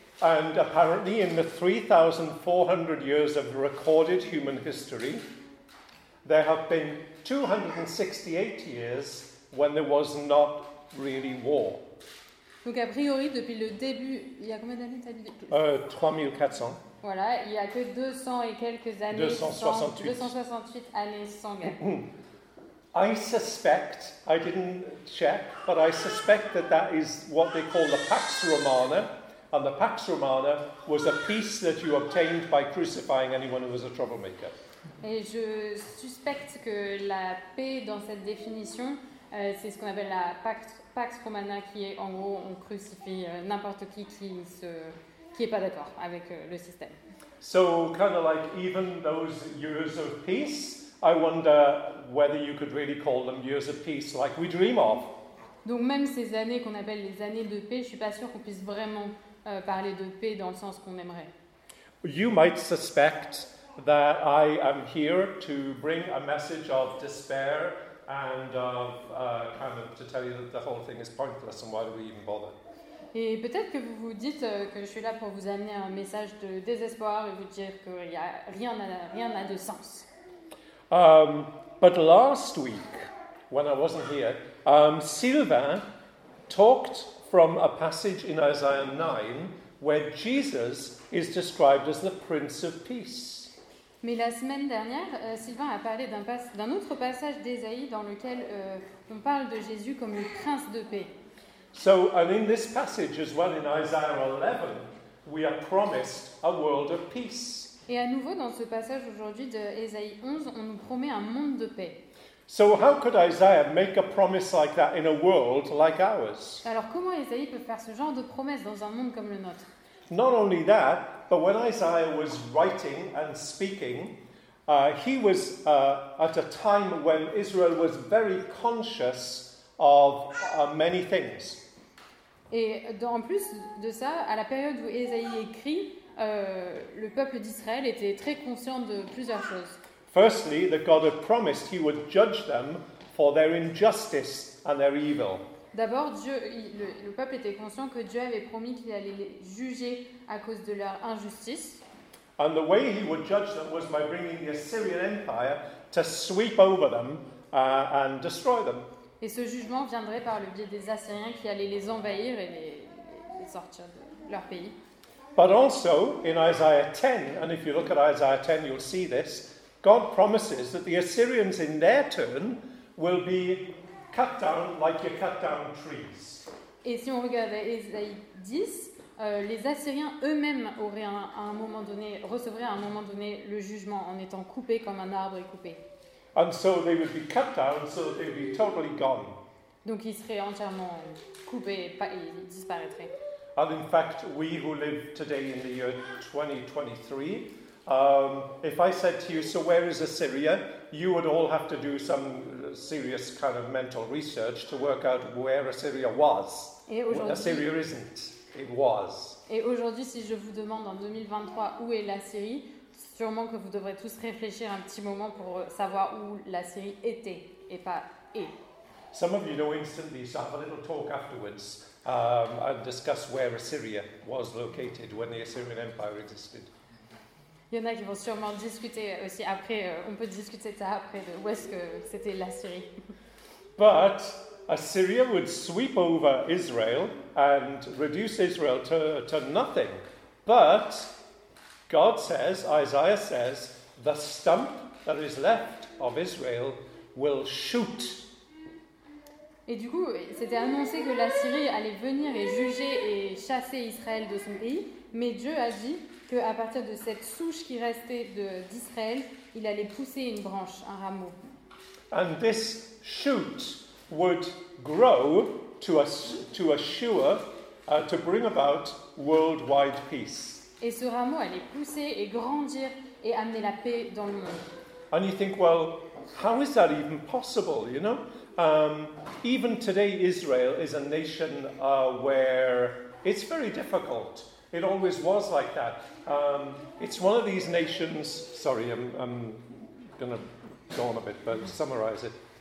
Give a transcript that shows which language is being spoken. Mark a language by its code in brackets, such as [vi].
[en] And apparently in the 3,400 years of recorded human history, there have been 268 years when there was not really war. [fr] Donc a priori, depuis le début, il y a combien d'années t'as dit? 3400. Voilà, il n'y a que 200 et quelques années. 268 années sans guerre. [en] I suspect, I didn't check, but I suspect that that is what they call the Pax Romana. And the Pax Romana was a peace that you obtained by crucifying anyone who was a troublemaker. [fr] Et je suspecte que la paix dans cette définition, c'est ce qu'on appelle la Pax Romana, qui est en gros, on crucifie n'importe qui n'est pas d'accord avec le système. [en] So, kind of like even those years of peace, I wonder whether you could really call them years of peace like we dream of. [fr] Donc même ces années qu'on appelle les années de paix, je ne suis pas sûr qu'on puisse vraiment parler de paix dans le sens qu'on aimerait. [en] You might suspect that I am here to bring a message of despair and of kind of to tell you that the whole thing is pointless and why do we even bother? [fr] Et peut-être que vous vous dites que je suis là pour vous amener un message de désespoir et vous dire qu'il y a rien n'a de sens. [en] But last week, when I wasn't here, Sylvain talked from a passage in Isaiah 9 where Jesus is described as the Prince of Peace. [fr] Mais la semaine dernière, Sylvain a parlé d'un autre passage d'Ésaïe dans lequel on parle de Jésus comme le Prince de Paix. [en] So, and in this passage as well, in Isaiah 11, we are promised a world of peace. [fr] Et à nouveau, dans ce passage aujourd'hui de Ésaïe 11, on nous promet un monde de paix. [en] So how could Isaiah make a promise like that in a world like ours? [fr] Alors comment Isaïe peut faire ce genre de promesse dans un monde comme le nôtre? [en] Not only that, but when Isaiah was writing and speaking, he was at a time when Israel was very conscious of many things. [fr] Et en plus de ça, à la période où Isaïe écrit, le peuple d'Israël était très conscient de plusieurs choses. [en] Firstly, that God had promised he would judge them for their injustice and their evil. [fr] D'abord, le peuple était conscient que Dieu avait promis qu'il allait les juger à cause de leur injustice. [en] And the way he would judge them was by bringing the Assyrian Empire to sweep over them and destroy them. [fr] Et ce jugement viendrait par le biais des Assyriens qui allaient les envahir et les sortir de leur pays. [en] But also in Isaiah 10, and if you look at Isaiah 10, you'll see this. God promises that the Assyrians in their turn will be cut down like you cut down trees. [fr] Et si on regarde Ésaïe 10, les Assyriens eux-mêmes auraient recevraient à un moment donné le jugement en étant coupés comme un arbre est coupé. [en] And so they would be cut down, so they would be totally gone. [fr] Donc ils seraient entièrement coupés et disparaîtraient. [en] And in fact, we who live today in the year 2023, if I said to you, so where is Assyria? You would all have to do some serious kind of mental research to work out where Assyria was. Assyria isn't. It was. [fr] Et aujourd'hui, si je vous demande en 2023 où est l'Assyrie, sûrement que vous devrez tous réfléchir un petit moment pour savoir où l'Assyrie était et pas est. [en] Some of you know instantly, so have a little talk afterwards and discuss where Assyria was located when the Assyrian Empire existed. [fr] Il y en a qui vont sûrement discuter aussi après, on peut discuter de ça après, de où est-ce que c'était l'Assyrie. [en] But Assyria would sweep over Israel and reduce Israel to nothing. But God says, Isaiah says, the stump that is left of Israel will shoot. [fr] Et du coup, c'était annoncé que l'Assyrie allait venir et juger et chasser Israël de son pays, mais Dieu a dit qu'à partir de cette souche qui restait d'Israël, il allait pousser une branche, un rameau. [en] And this shoot would grow to assure, to bring about worldwide peace. [fr] Et ce rameau allait pousser et grandir et amener la paix dans le monde. [en] And you think, well, how is that even possible, you know? Even today, Israel is a nation where it's very difficult. It always was like that. It's one of these nations. Sorry, I'm going to go on a bit, but summarize it.